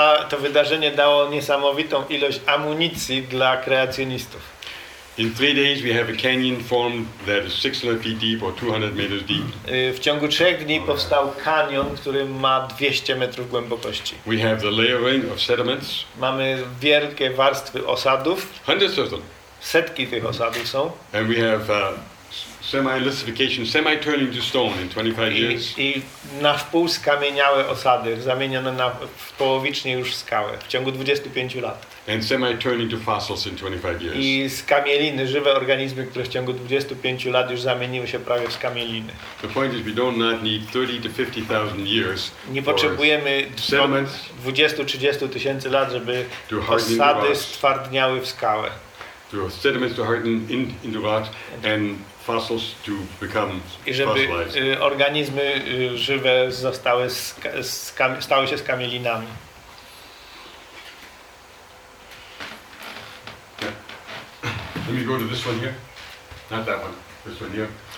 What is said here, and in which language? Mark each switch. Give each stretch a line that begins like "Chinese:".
Polish: To wydarzenie dało niesamowitą ilość amunicji dla kreacjonistów.
English: In 3 days we have a canyon formed that is 600 feet deep or 200 meters deep.
Polish: W ciągu 3 dni powstał kanion, który ma 200 metrów głębokości.
English: We have the layering of sediments.
Polish: Mamy wielkie warstwy osadów.
English: Hundreds of them.
Polish: Setki tych osadów są.
English: And we have semi-lithification, semi-turning to stone in 25 years.
Polish: I na wpół skamieniałe osady, zamienione na połowicznie już skałę w ciągu 25 lat.
English: And semi-turning to fossils in 25 years.
Polish: I skamieliny, żywe organizmy, które w ciągu 25 lat już zamieniły się prawie w skamieliny.
English: The point is, we do not need 30 to 50,000 years.
Polish: Nie potrzebujemy 20-30 tysięcy lat, żeby osady stwardniały w skałę.
English: To sediments to harden into rocks and fossils to become
Polish: i żeby organizmy żywe zostały stały się skamielinami.
English: Yeah. Let me go to this one here. Not that one. This one here.